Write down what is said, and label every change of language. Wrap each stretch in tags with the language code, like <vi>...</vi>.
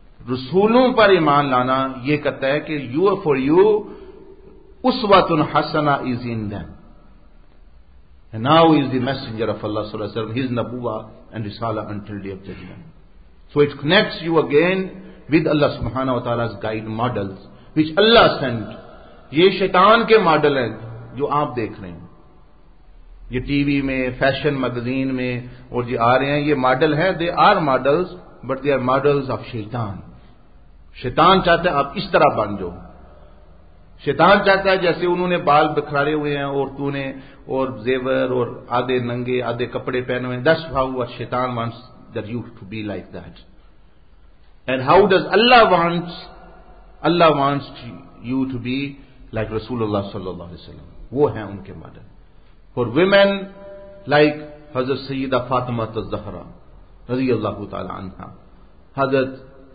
<ur>رسولوں پر ایمان لانا یہ کہتا ہے کہ</ur> <en>You for you اسوۃن حسنہ is in them, now is the messenger of Allah صلی اللہ علیہ وسلم, ہز نبوہ اینڈ رسالہ until day of judgment. So it connects you again with Allah subhanahu wa ta'ala's guide models which Allah sent.</en> <ur>یہ شیطان کے model ہیں جو آپ دیکھ رہے ہیں, یہ ٹی وی میں, فیشن میگزین میں اور جو آ رہے ہیں, یہ ماڈل ہیں.</ur> <en>They are models, but they are models of شیطان.</en> <ur>شیطان چاہتا ہے آپ اس طرح بن جاؤ. شیطان چاہتا ہے جیسے انہوں نے بال بکھرے ہوئے ہیں اور تو نے اور زیور اور آدھے ننگے آدھے کپڑے پہنے ہوئے, دس بھاؤ اور</ur> <en>شیطان wants that you to be like that. And how does Allah wants you to be like Rasulullah sallallahu alaihi wasallam?</en> <ur>Wo hai unke model.</ur> <en>For women like Hazrat Sayyida Fatima az-Zahra radhiyallahu ta'ala anha, Hazrat</en>